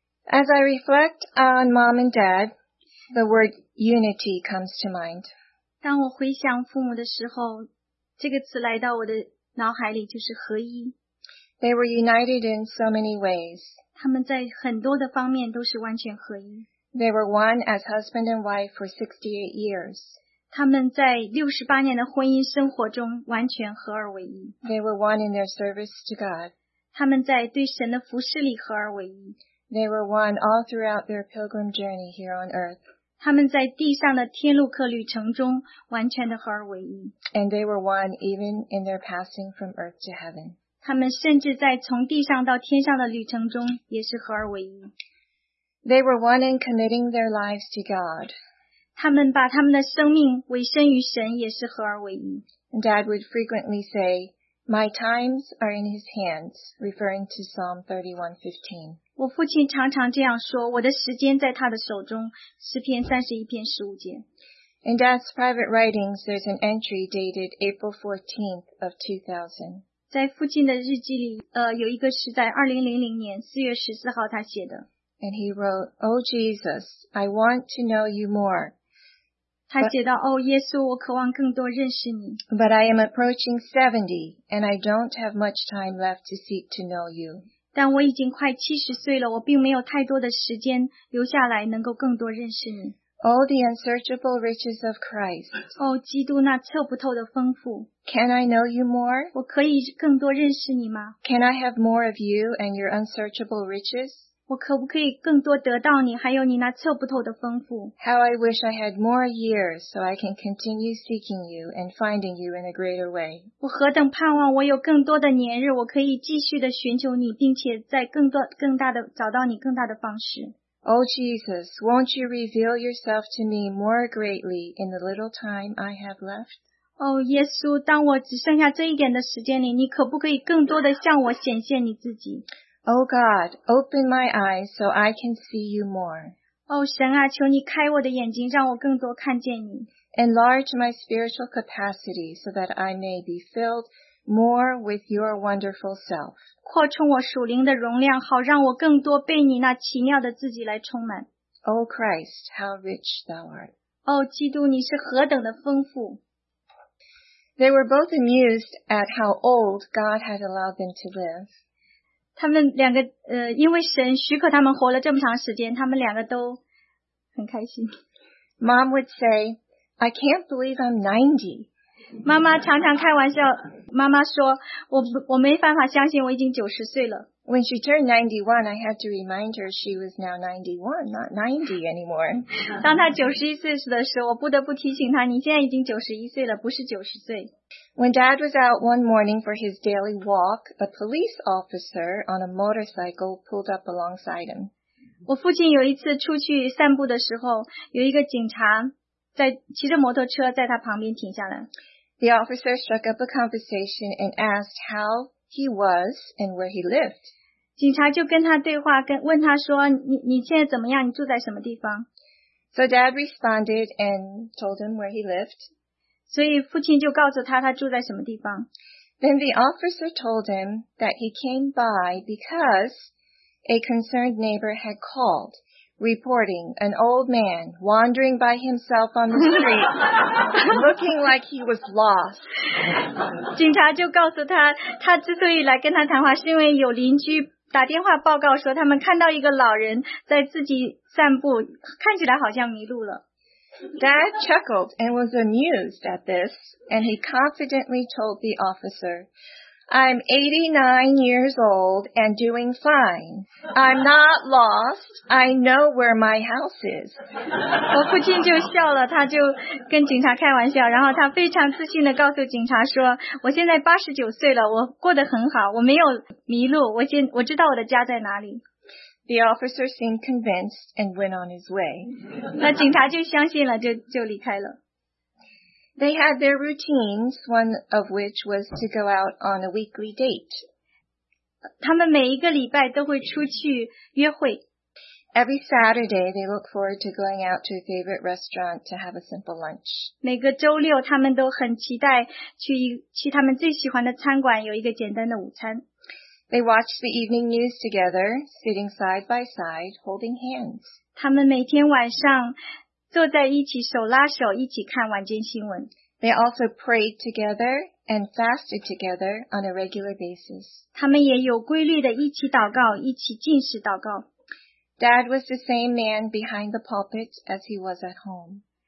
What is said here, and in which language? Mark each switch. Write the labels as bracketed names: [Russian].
[English] As I reflect on mom and dad, the word unity comes to mind. [Chinese] 当我回想父母的时候，这个词来到我的脑海里就是合一。 [English] They were united in so many ways. [Chinese] 他们在很多的方面都是完全合一。 [English] They were one as husband and wife for 68 years. [Chinese] 他们在68年的婚姻生活中完全合而为一。 [English] They were one in their service to God. [Chinese] 他们在对神的服事里合而为一。 [English] They were one all throughout their pilgrim journey here on earth. [Chinese] 他们在地上的天路客旅程中完全的合而为一。 [English] And they were one even in their passing from earth to heaven. [Chinese] 他们甚至在从地上到天上的旅程中也是合而为一。 [English] They were one in committing their lives to God. [Chinese] 他们把他们的生命委身于神也是合而为一。 [English] And Dad would frequently say, My times are in his hands, referring to Psalm 31:15. [Chinese] 我父亲常常这样说，我的时间在他的手中，诗篇31篇15节。 [English] In Dad's private writings, there's an entry dated April 14th of 2000. [Chinese] 在父亲的日记里，有一个是在2000年4月14号他写的。 [English] And he wrote, O Jesus, I want to know you more. [Chinese] 他写道，哦，耶稣，我渴望更多认识你。 [English] But I am approaching 70, and I don't have much time left to seek to know you. [Chinese] 但我已经快70岁了，我并没有太多的时间留下来能够更多认识你。 [English] All the unsearchable riches of Christ. [Chinese] 哦，基督那测不透的丰富。 [English] Can I know you more? [Chinese] 我可以更多认识你吗？ [English] Can I have more of you and your unsearchable riches? [Chinese] 我可不可以更多得到你，还有你那测不透的丰富？ [English] How I wish I had more years so I can continue seeking you and finding you in a greater way. [Chinese] 我何等盼望我有更多的年日，我可以继续的寻求你，并且在更多更大的找到你更大的方式。 [English] O Jesus, won't you reveal yourself to me more greatly in the little time I have left? [Chinese] O 耶稣，当我只剩下这一点的时间里，你可不可以更多的向我显现你自己？ [English] O God, open my eyes so I can see you more. [Chinese] O 神啊，求你开我的眼睛，让我更多看见你。 [English] Enlarge my spiritual capacity so that I may be filled more with your wonderful self. [Chinese] 扩充我属灵的容量，好让我更多被你那奇妙的自己来充满。 [English] O Christ, how rich thou art. [Chinese] O 基督，你是何等的丰富。 [English] They were both amused at how old God had allowed them to live. [Chinese] 他们两个因为神许可他们活了这么长时间，他们两个都很开心。 [English] Mom would say, I can't believe I'm 90. [Chinese] 妈妈常常开玩笑，妈妈说，我没办法相信我已经90岁了。 [English] When she turned 91, I had to remind her she was now 91, not 90 anymore. [Chinese] 当她91岁的时候，我不得不提醒她，你现在已经91岁了，不是90岁。 [English] When Dad was out one morning for his daily walk, a police officer on a motorcycle pulled up alongside him. [Chinese] 我父亲有一次出去散步的时候，有一个警察在骑着摩托车在他旁边停下来。 [English] The officer struck up a conversation and asked how he was and where he lived. [Chinese] 警察就跟他对话，问他说，你现在怎么样？你住在什么地方？ [English] So Dad responded and told him where he lived. [Chinese] 所以父亲就告诉他他住在什么地方。 [English] Then the officer told him that he came by because a concerned neighbor had called. Reporting an old man wandering by himself on the street, looking like he was lost. [Chinese] 警察就告诉他，他之所以来跟他谈话，是因为有邻居打电话报告说，他们看到一个老人在自己散步，看起来好像迷路了。 [English] Dad chuckled and was amused at this, and he confidently told the officer. I'm 89 years old and doing fine. I'm not lost. I know where my house is. [Chinese] 我父亲就笑了，他就跟警察开玩笑，然后他非常自信地告诉警察说，我现在89岁了，我过得很好，我没有迷路，我知道我的家在哪里。 [English] The officer seemed convinced and went on his way. [Chinese] 那警察就相信了，就离开了。 [English] They had their routines, one of which was to go out on a weekly date. [Chinese] 他们每一个礼拜都会出去约会。 [English] Every Saturday, they look forward to going out to a favorite restaurant to have a simple lunch. [Chinese] 每个周六他们都很期待去他们最喜欢的餐馆有一个简单的午餐。 [English] They watched the evening news together, sitting side by side, holding hands. [Chinese] 他们每天晚上坐在一起，手拉手一起看晚间新闻。 [English] They also prayed together and fasted together on a regular basis. [Chinese] 他们也有规律的一起祷告，一起禁食祷告。 [English] Dad was the same man behind the pulpit as he was at home.